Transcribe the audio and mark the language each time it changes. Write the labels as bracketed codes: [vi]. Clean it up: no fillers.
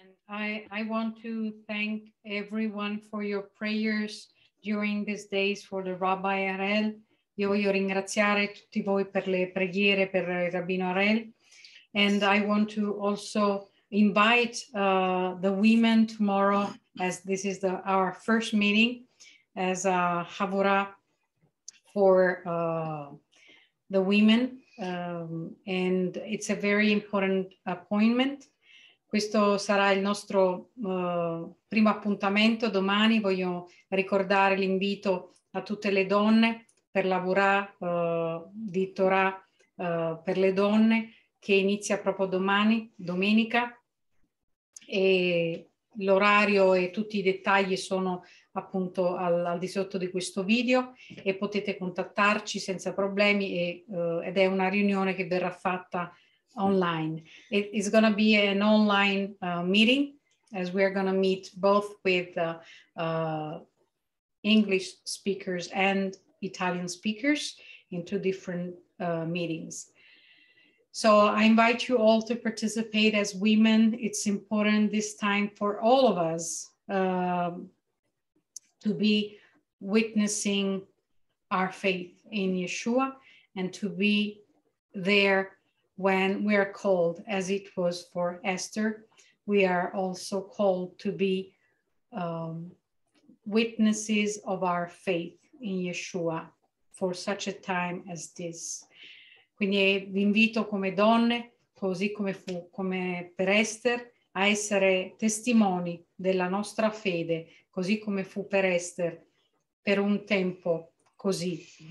[en] I want to thank everyone for your prayers during these days for the Rabbi Harel. [it] Io voglio ringraziare tutti voi per le preghiere per il Rabbino Harel. [en] And I want to also invite the women tomorrow, as this is our first meeting as a Havura for the women. And it's a very important appointment. [it] Questo sarà il nostro primo appuntamento domani. Voglio ricordare l'invito a tutte le donne per lavorare di Torah per le donne, che inizia proprio domani, domenica. E l'orario e tutti i dettagli sono appunto al di sotto di questo video, e potete contattarci senza problemi, ed è una riunione che verrà fatta online. [en] It's going to be an online meeting, as we are going to meet both with English speakers and Italian speakers in two different meetings. So I invite you all to participate as women. It's important this time for all of us to be witnessing our faith in Yeshua and to be there when we are called, as it was for Esther. We are also called to be witnesses of our faith in Yeshua for such a time as this. [it] Quindi vi invito come donne, così come fu come per Esther, a essere testimoni della nostra fede, così come fu per Esther, per un tempo così.